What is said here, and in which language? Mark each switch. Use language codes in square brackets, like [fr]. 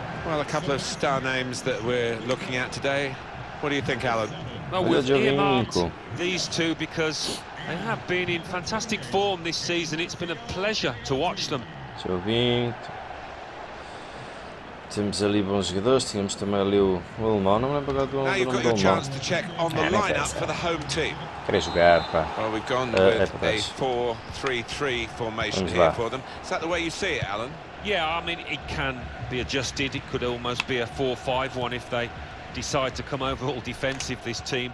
[en] Well, a couple of star names that we're looking at today. What do you think, Alan? Well, we've earmarked these two because they have been in fantastic form this season. It's been a pleasure to watch them. Jovinho. [pt] Temos ali bons jogadores. Tínhamos também ali o alemão. Não me lembro agora do nome do alemão. [en] Now you've got your chance to check on the lineup for the home team. [pt] Querem jogar, pá. [en] Well, we've gone with a 4-3-3 formation here for them. Is that the way you see it, Alan? Yeah, I mean, it can be adjusted. It could almost be a 4-5-1 if they decide to come over all defensive, this team.